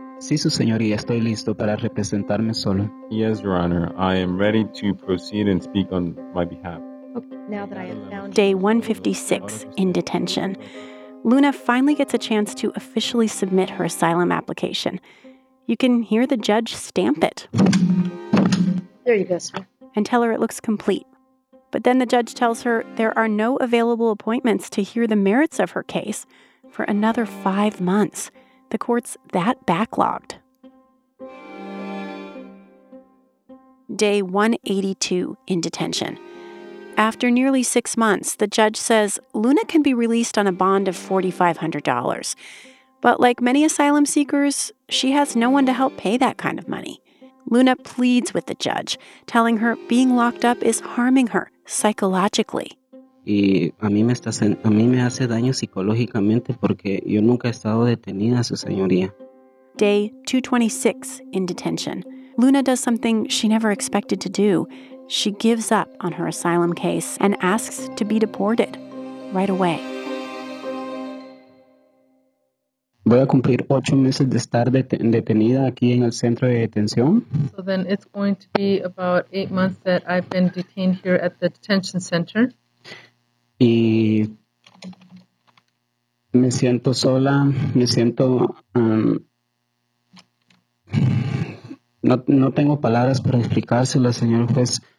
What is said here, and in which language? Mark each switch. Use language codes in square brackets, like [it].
[es] Sí, su señoría, estoy listo para representarme solo. [en] Yes, Your Honor, I am ready to proceed and speak on my behalf. Now that I have found day 156 in detention, Luna finally gets a chance to officially submit her asylum application. You can hear the judge stamp it. There you go, sir. And tell her it looks complete. But then the judge tells her there are no available appointments to hear the merits of her case for another 5 months. The court's that backlogged. Day 182 in detention. After nearly 6 months, the judge says Luna can be released on a bond of $4,500. But like many asylum seekers, she has no one to help pay that kind of money. Luna pleads with the judge, telling her being locked up is harming her psychologically. [es] Y a mí me hace daño psicológicamente porque yo nunca he estado detenida, su señoría. [en] Day 226 in detention. Luna does something she never expected to do. She gives up on her asylum case and asks to be deported right away. [es] Voy a cumplir 8 meses de estar detenida aquí en el centro de detención. [en] So then it's going to be about 8 months that I've been detained here at the detention center. [es] Y me siento sola, me siento... No tengo palabras para explicárselo, señor juez.